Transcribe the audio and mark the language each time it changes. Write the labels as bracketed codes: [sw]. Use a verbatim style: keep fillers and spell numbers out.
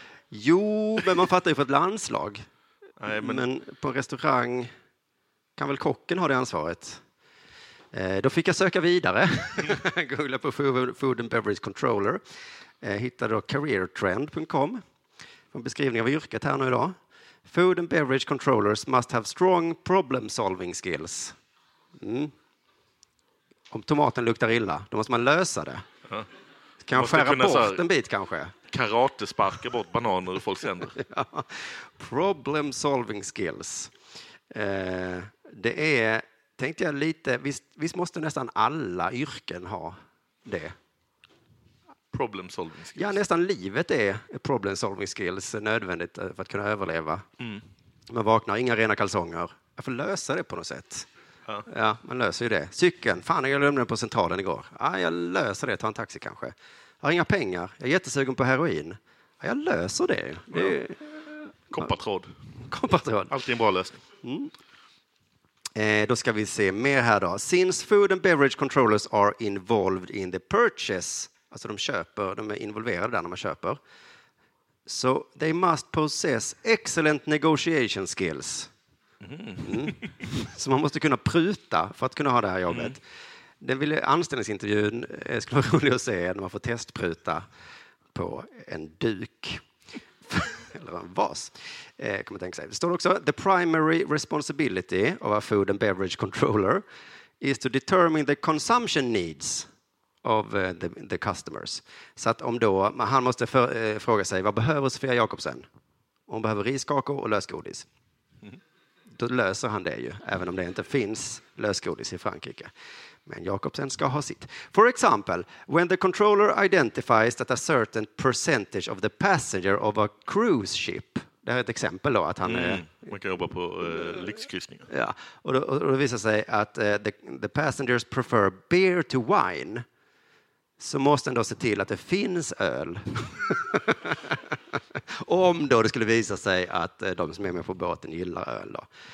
[sv] Jo, men man fattar ju för ett landslag. Nej, men... men på restaurang kan väl kocken ha det ansvaret? Eh, då fick jag söka vidare. Googla på Food and Beverage Controller. Eh, hittade då career trend dot com. En beskrivning av yrket här nu idag. [en] Food and Beverage Controllers must have strong problem solving skills. Mm. [sv] Om tomaten luktar illa, då måste man lösa det. Ja. Kan man skära bort en bit kanske? Karate sparkar bort bananer och folks händer. ja. Problem solving skills. Eh, det är... Tänkte jag lite, visst, visst måste nästan alla yrken ha det? [en] Problem solving skills. [sv] Ja, nästan livet är problem solving skills nödvändigt för att kunna överleva. Mm. Man vaknar, inga rena kalsonger. Jag får lösa det på något sätt. Ja, ja man löser ju det. Cykeln, fan jag lämnade den på centralen igår. Ja, jag löser det, ta en taxi kanske. Jag har inga pengar, jag är jättesugen på heroin. Ja, jag löser det. det är... Koppartråd. Koppartråd. Alltid en bra lösning. Mm. Eh, då ska vi se mer här då. [en] Since food and beverage controllers are involved in the purchase. [sv] Alltså de köper, de är involverade där när man köper. [en] So they must possess excellent negotiation skills. [sv] Mm. Så man måste kunna pruta för att kunna ha det här jobbet. Mm. Den ville anställningsintervjun eh, skulle vara rolig att se när man får testpruta på en duk. Eller en vas. Eh, kan man tänka sig. Det står också [en] the primary responsibility of a food and beverage controller is to determine the consumption needs of uh, the, the customers. [sv] Så att om då, han måste för, eh, fråga sig, vad behöver Sofia Jakobsen? Hon behöver riskakor och lösgodis. Mm. Då löser han det ju, även om det inte finns lösgodis i Frankrike. Men Jakobsen ska ha sitt. [en] For example, when the controller identifies that a certain percentage of the passenger of a cruise ship. [sv] Det här är ett exempel då att han mm, är... Man kan jobba på eh, lyxkryssningar. Ja, och då, och då visar sig att eh, [en] the, the passengers prefer beer to wine. [sv] Så måste han då se till att det finns öl. Om då det skulle visa sig att de som är med på båten gillar öl då.